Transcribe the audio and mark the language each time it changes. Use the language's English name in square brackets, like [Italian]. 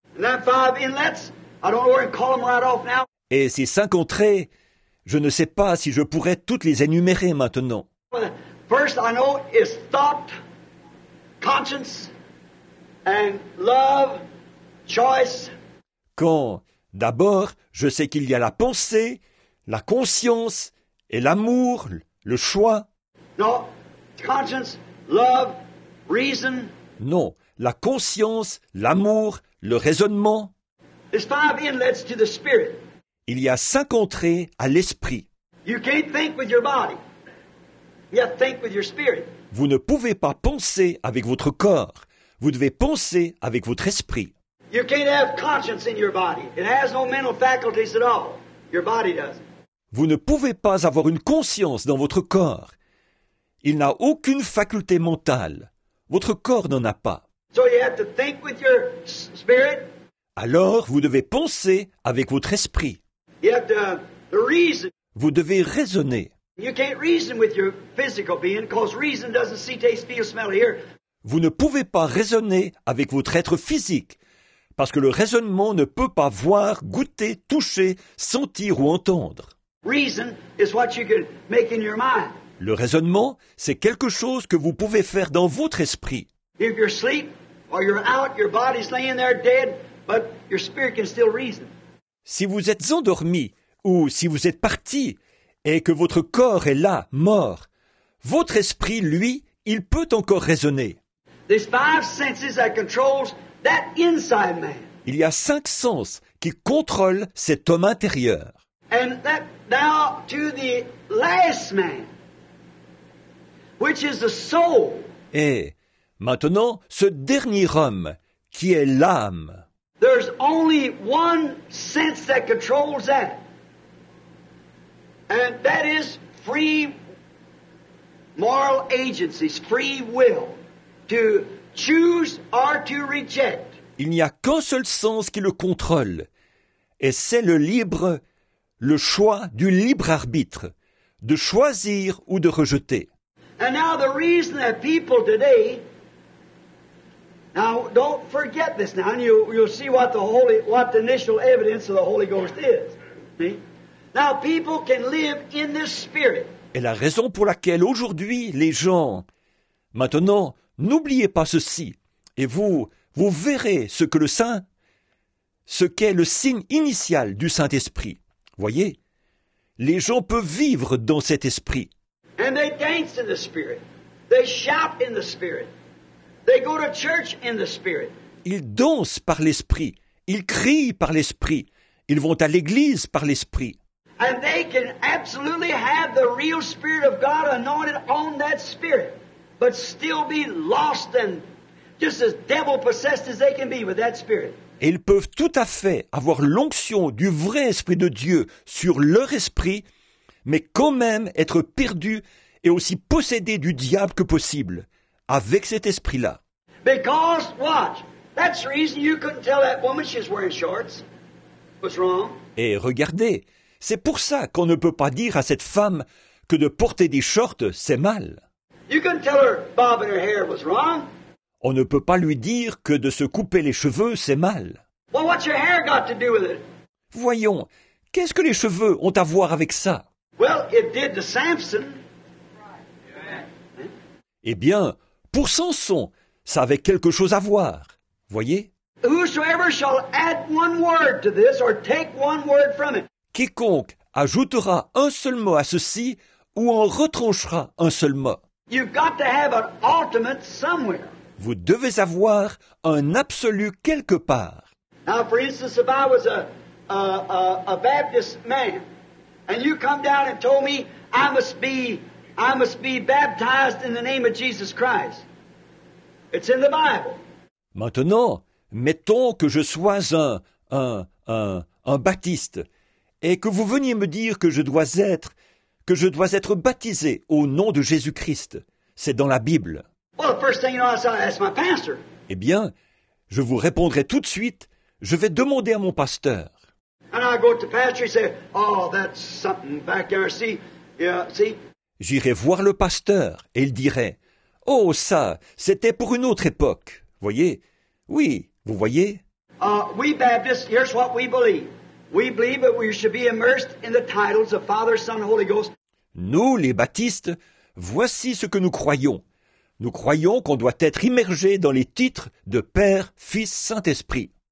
[English] Now five inlets, I don't know where to call them right off now. [French] Et ces cinq entrées, je ne sais pas si je pourrais toutes les énumérer maintenant. [English] First I know is thought. Conscience. and love, choice. [French] Quand d'abord je sais qu'il y a la pensée, la conscience et l'amour, le choix. [English] Non, conscience, love, reason. [French] Non, la conscience, l'amour, le raisonnement. [English] There's five inlets to the spirit. [French] Il y a cinq entrées à l'esprit. [English] You can't think with your body. You have to think with your spirit. [French] Vous ne pouvez pas penser avec votre corps. Vous devez penser avec votre esprit. [English] You can't have conscience in your body. It has no mental faculties at all. Your body does. [French] Vous ne pouvez pas avoir une conscience dans votre corps. Il n'a aucune faculté mentale. Votre corps n'en a pas. [English] So you have to think with your spirit. [French] Alors, vous devez penser avec votre esprit. [English] You have to reason. [French] Vous devez raisonner. [English] You can't reason with your physical being, because reason doesn't see, taste, feel, smell, hear. [French] Vous ne pouvez pas raisonner avec votre être physique, parce que le raisonnement ne peut pas voir, goûter, toucher, sentir ou entendre. [English] Reason is what you can make in your mind. [French] Le raisonnement, c'est quelque chose que vous pouvez faire dans votre esprit. [English] If you're asleep or you're out, your body's laying there dead, but your spirit can still reason. [French] Si vous êtes endormi ou si vous êtes parti et que votre corps est là, mort, votre esprit, lui, il peut encore raisonner. [English] There's five senses that controls that inside man. [French] Il y a cinq sens qui contrôlent cet homme intérieur. [English] And that now to the last man, which is the soul. [French] Et maintenant, ce dernier homme qui est l'âme. [English] There's only one sense that controls that. And that is free moral agencies, free will, to choose or to reject. [French] Il n'y a qu'un seul sens qui le contrôle, et c'est le libre, le choix du libre arbitre, de choisir ou de rejeter. [English] And now the reason that people today, now don't forget this now, and you'll see what the initial evidence of the Holy Ghost is. See? Now people can live in this spirit. [French] Et la raison pour laquelle aujourd'hui les gens, maintenant, n'oubliez pas ceci, et vous verrez ce qu'est le signe initial du Saint-Esprit. Voyez, les gens peuvent vivre dans cet esprit. [English] And they dance in the spirit. They shout in the spirit. They go to church in the spirit. [French] Ils dansent par l'esprit. Ils crient par l'esprit. Ils vont à l'église par l'esprit. [English] And they can absolutely have the real Spirit of God anointed on that spirit, but still be lost and just as devil-possessed as they can be with that spirit. [French] Et ils peuvent tout à fait avoir l'onction du vrai Esprit de Dieu sur leur esprit, mais quand même être perdus et aussi possédés du diable que possible avec cet esprit-là. [English] Because, watch, that's the reason you couldn't tell that woman she's wearing shorts. What's wrong? [French] Et regardez, c'est pour ça qu'on ne peut pas dire à cette femme que de porter des shorts, c'est mal. [English] You can tell her bobbing her hair was wrong. [French] On ne peut pas lui dire que de se couper les cheveux, c'est mal. [English] Well, what's your hair got to do with it? [French] Voyons, qu'est-ce que les cheveux ont à voir avec ça? [English] Well, it did to Samson. [French] Eh bien, pour Samson, ça avait quelque chose à voir. Voyez? [English] Whosoever shall add one word to this or take one word from it. [French] Quiconque ajoutera un seul mot à ceci ou en retranchera un seul mot. [English] You've got to have an ultimate somewhere. [French] Vous devez avoir un absolu quelque part. [English] Now, for instance, if I was a Baptist man, and you come down and told me I must be baptized in the name of Jesus Christ. It's in the Bible. [French] Maintenant, mettons que je sois un baptiste. Et que vous veniez me dire que je dois être baptisé au nom de Jésus-Christ. C'est dans la Bible. [English] Well, first thing you know, I'll ask my pastor. [French] Eh bien, je vous répondrai tout de suite, je vais demander à mon pasteur. [English] And I'll go to the pastor and say, oh, that's something back there, see? Yeah, see? [French] J'irai voir le pasteur et il dirait, oh, ça, c'était pour une autre époque. Voyez? Oui, vous voyez? [English] We Baptists, here's what we believe. We believe that we should be immersed in the titles of Father, Son, Holy Ghost. [French] Nous, les Baptistes, voici ce que nous croyons. Nous croyons qu'on doit être immergé dans les titres de Père, Fils, Saint-Esprit.